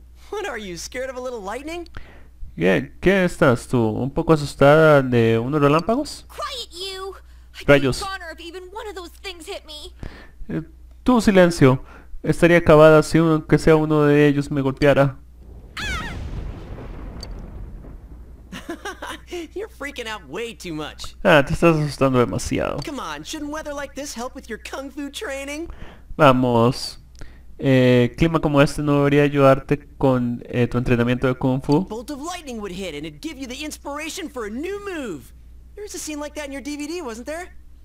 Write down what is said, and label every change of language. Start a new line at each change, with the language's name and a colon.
English: What are you, scared of a little lightning?
Spanish: ¿Qué estás tú? ¿Un poco asustada de unos relámpagos?
English: Quiet, you.
Spanish: Rayos.
English: If even one of those things hit me.
Spanish: Tu silencio. Estaría acabada si que sea uno de ellos me golpeara.
English: You're freaking out way too much.
Spanish: Ah, te estás asustando demasiado.
English: Come on, shouldn't weather like this help with your kung fu training?
Spanish: Vamos. Clima como este no debería ayudarte con tu entrenamiento de kung fu.
English: Bolt of lightning would hit and it'd give you the inspiration for a new move. There was a scene like that in your DVD, wasn't there?